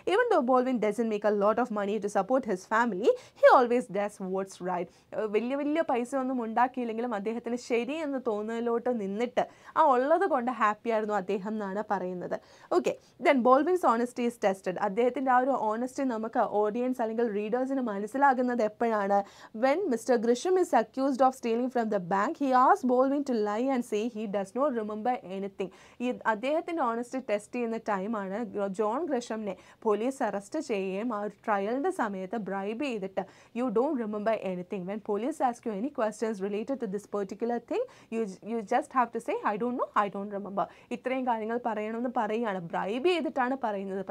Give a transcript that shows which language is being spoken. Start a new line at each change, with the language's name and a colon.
English: Even though Baldwin doesn't make a lot of money to support his family, he always does what's right.
Malayalam: വലിയ വലിയ പൈസ ഒന്നും ഉണ്ടാക്കിയില്ലെങ്കിലും അദ്ദേഹത്തിന് ശരി എന്ന് തോന്നലിലോട്ട് നിന്നിട്ട് ആ ഉള്ളത് കൊണ്ട് ഹാപ്പിയായിരുന്നു അദ്ദേഹം എന്നാണ് പറയുന്നത്. Okay,
English: Then Baldwin's honesty is tested.
Malayalam: അദ്ദേഹത്തിൻ്റെ ആ ഒരു ഓണസ്റ്റി നമുക്ക് ഓഡിയൻസ് അല്ലെങ്കിൽ റീഡേഴ്സിന് മനസ്സിലാകുന്നത് എപ്പോഴാണ്?
English: When Mr. Grisham is accused of stealing from the bank, he asks Baldwin to lie and say he does not remember anything.
Malayalam: ഈ അദ്ദേഹത്തിൻ്റെ ഓണസ്റ്റി ടെസ്റ്റ് ചെയ്യുന്ന ടൈമാണ് ജോൺ ഗ്രിഷമിനെ പോലീസ് അറസ്റ്റ് ചെയ്യുകയും ആ ഒരു ട്രയലിൻ്റെ സമയത്ത് ബ്രൈബ് ചെയ്തിട്ട്
English: You don't remember anything. When police ask you any questions related to this particular thing you just have to say I don't know I don't remember.
Malayalam: ഇത്രയും കാര്യങ്ങൾ പറയണമെന്ന് പറയുകയാണ്, ബ്രൈബ് ചെയ്തിട്ടാണ് പറയുന്നത്.